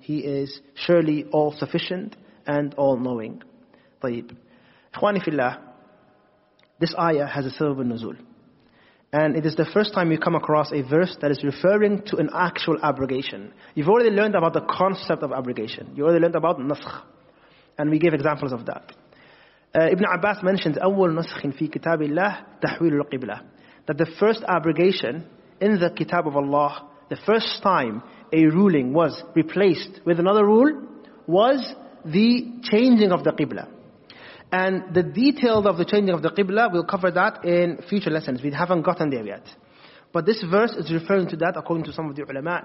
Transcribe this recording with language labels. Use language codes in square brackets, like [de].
[en] He is surely all sufficient and all knowing. Tayyib. Ikhwani fillah, this ayah has a silver nuzul. And it is the first time you come across a verse that is referring to an actual abrogation. You've already learned about the concept of abrogation, you already learned about naskh. And we gave examples of that. Ibn Abbas mentions, [ar] أول نسخ في كتاب الله تحويل القبلة. [en] That the first abrogation in the Kitab of Allah, the first time a ruling was replaced with another rule, was the changing of the Qibla. And the details of the changing of the Qibla, we'll cover that in future lessons. We haven't gotten there yet. But this verse is referring to that according to some of the ulama.